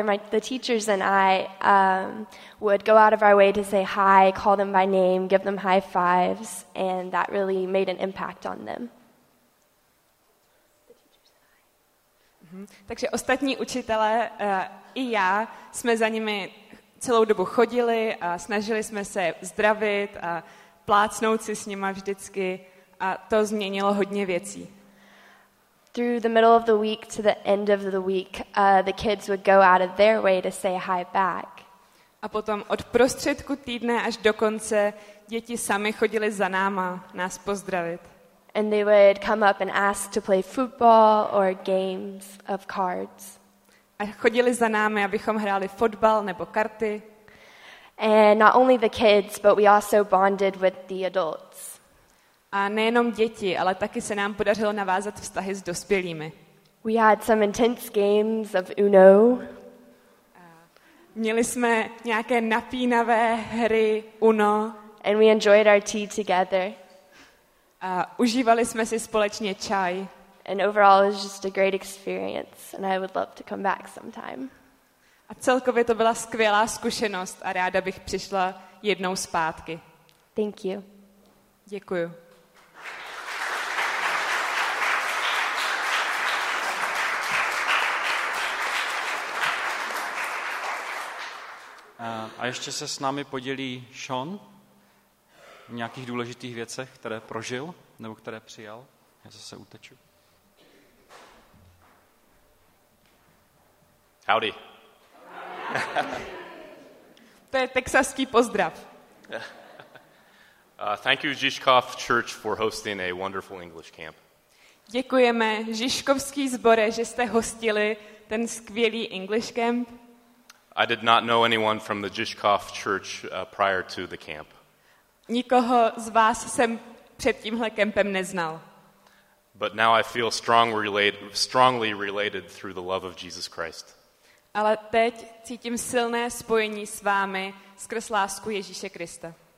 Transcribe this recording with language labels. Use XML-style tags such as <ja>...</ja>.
<en>The teachers and I would go out of our way to say hi, call them by name, give them high fives, and that really made an impact on them.</en> <cs>Takže ostatní učitelé i já jsme za nimi celou dobu chodili a snažili jsme se zdravit a plácnout si s nima vždycky a to změnilo hodně věcí.</cs> <en>Through the middle of the week to the end of the week, the kids would go out of their way to say hi back.</en> <cs>A potom od prostředku týdne až do konce děti sami chodili za náma nás pozdravit.</cs> <en>And they would come up and ask to play football or games of cards.</en> <cs>A chodili za námi, abychom hráli fotbal nebo karty.</cs> <en>And not only the kids, but we also bonded with the adults.</en> <cs>A nejenom děti, ale taky se nám podařilo navázat vztahy s dospělými.</cs> <en>We had some intense games of Uno.</en> <cs>Měli jsme nějaké napínavé hry Uno.</cs> <en>And we enjoyed our tea together.</en> <cs>A užívali jsme si společně čaj.</cs> <en>And overall it was just a great experience and I would love to come back sometime.</en> <cs>A celkově to byla skvělá zkušenost a ráda bych přišla jednou zpátky.</cs> <en>Thank you.</en> <cs>Děkuju. A ještě se s námi podělí Sean v nějakých důležitých věcech, které prožil nebo které přijal. Já zase uteču.</cs> <en>Howdy.</en> <cs>To je texaský pozdrav.</cs> <en>Thank you, Žižkov Church, for hosting a wonderful English camp.</en> <cs>Děkujeme, Žižkovský zbore, že jste hostili ten skvělý English camp.</cs> <en>I did not know anyone from the Žižkov Church prior to the camp.</en> <cs>Nikoho z vás jsem před tímhle kempem neznal.</cs> <en>But now I feel strongly related through the love of Jesus Christ.</en> <cs>Ale teď cítím silné spojení s vámi skrz lásku Ježíše Krista.</cs>